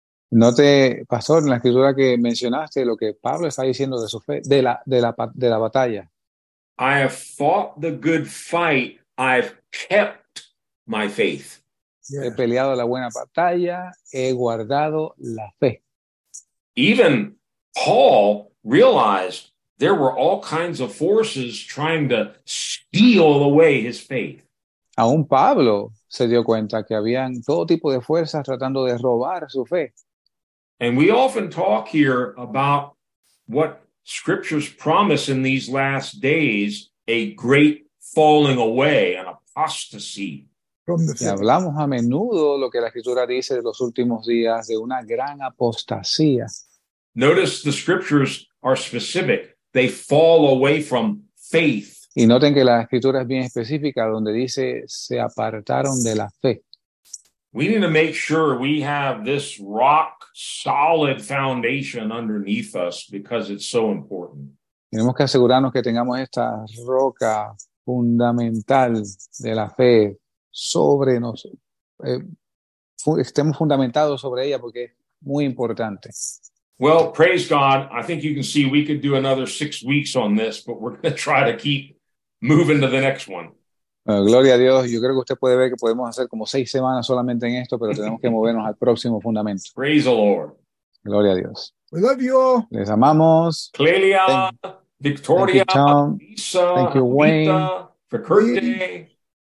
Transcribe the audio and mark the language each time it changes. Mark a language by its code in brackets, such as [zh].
[es] Note, Pastor, en la escritura que mencionaste lo que Pablo está diciendo de su fe, de la batalla. [en] I have fought the good fight. I've kept my faith. [es] Yes. He peleado la buena batalla. He guardado la fe. [en] Even Paul realized there were all kinds of forces trying to steal away his faith. [es] Aún Pablo se dio cuenta que habían todo tipo de fuerzas tratando de robar su fe. [en] And we often talk here about what scriptures promise in these last days, a great falling away, an apostasy from the [es] Y [en] finish. [es] hablamos a menudo lo que la Escritura dice de los últimos días, de una gran apostasía. [en] Notice the scriptures are specific. They fall away from faith. [es] Y noten que la Escritura es bien específica donde dice se apartaron de la fe. [en] We need to make sure we have this rock solid foundation underneath us because it's so important. [es] Tenemos que asegurarnos que tengamos esta roca fundamental de la fe sobre nosotros. Estemos fundamentados sobre ella porque es muy importante. [en] Well, praise God. I think you can see we could do another 6 weeks on this, but we're going to try to keep moving to the next one. [es] Gloria a Dios. Yo creo que usted puede ver que podemos hacer como 6 semanas solamente en esto, pero tenemos que movernos al próximo fundamento. [en] Praise the Lord. [es] Gloria a Dios. [en] We love you all. [es] Les amamos. Clelia, Victoria, [en] thank you, Tom. Lisa, thank you, Wayne. Lisa, for Kurt today.